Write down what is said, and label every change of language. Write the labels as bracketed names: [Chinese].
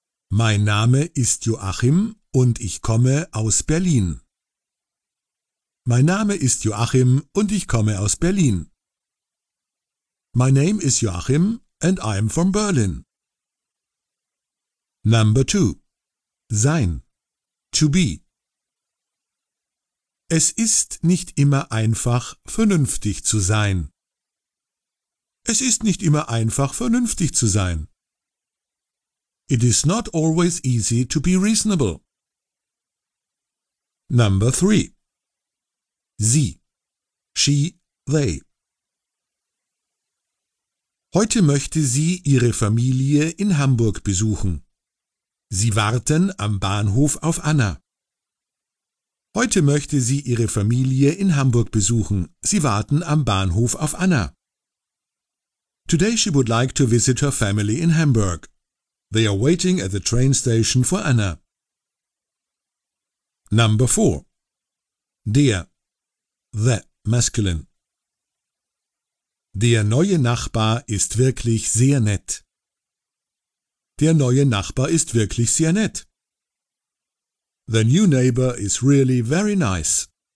[German] Mein Name ist Joachim und ich komme aus Berlin. Mein Name ist Joachim und ich komme aus Berlin. [English] My name is Joachim and I am from Berlin. Number 2. [German] Sein. [English] To be. [German] Es ist nicht immer einfach, vernünftig zu sein. Es ist nicht immer einfach, vernünftig zu sein. [English] It is not always easy to be reasonable. Number 3. [German] Sie. [English] She, they. [German] Heute möchte sie ihre Familie in Hamburg besuchen. Sie warten am Bahnhof auf Anna. Heute möchte sie ihre Familie in Hamburg besuchen. Sie warten am Bahnhof auf Anna. [English] Today she would like to visit her family in Hamburg. They are waiting at the train station for Anna. Number 4. [German] Der. [English] The. Masculine. [German] Der neue Nachbar ist wirklich sehr nett. Der neue Nachbar ist wirklich sehr nett. [English] The new neighbor is really very nice.